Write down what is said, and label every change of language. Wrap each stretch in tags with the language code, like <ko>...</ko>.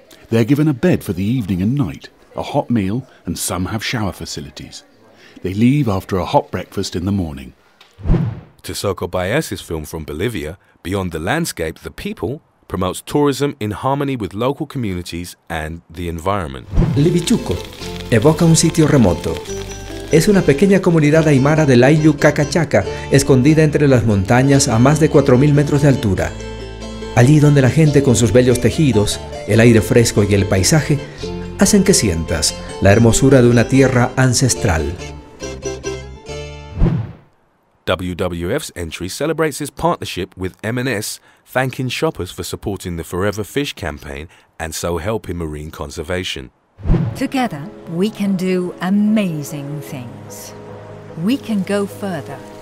<en>They're given a bed for the evening and night, a hot meal, and some have shower facilities. They leave after a hot breakfast in the morning. Tesoco Baez's film from Bolivia, Beyond the Landscape, The People, promotes tourism in harmony with local communities and the environment.</en> <es>Libichuco evoca un sitio remoto. Es una pequeña comunidad aymara del Ayllu Cacachaca, escondida entre las montañas a más de 4,000 metros de altura. Allí donde la gente con sus bellos tejidos, el aire fresco y el paisaje hacen que sientas la hermosura de una tierra ancestral.</es> <en>WWF's entry celebrates its partnership with M&S, thanking shoppers for supporting the Forever Fish campaign and so helping marine conservation. Together, we can do amazing things. We can go further.</en>